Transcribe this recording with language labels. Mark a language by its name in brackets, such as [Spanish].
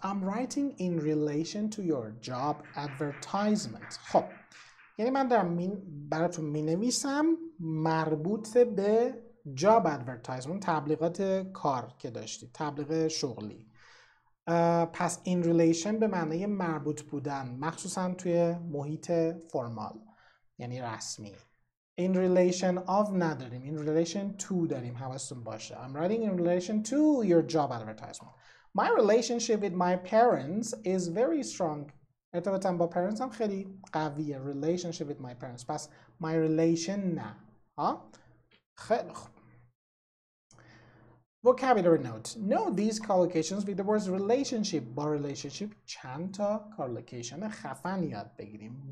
[English] I'm writing in relation to your job advertisement. [Persian] خب. یعنی من دارم براتون می نویسم مربوط به job advertisement. تبلیغات کار که داشتید. تبلیغ شغلی. پس in relation به معنی مربوط بودن. مخصوصا توی محیط فرمال. یعنی رسمی. [English] In relation of نداریم. In relation to داریم. [Persian] حواستون باشه. [English] I'm writing in relation to your job advertisement. My relationship with my parents is very strong. [Persian] ارتباطم با parents هم خیلی قویه. [English] Relationship with my parents. پس my relation نه. [Persian] خیلی خوب. [English] Vocabulary note. Know these collocations with the words relationship. [Persian] با relationship چند تا collocation خفن یاد بگیریم.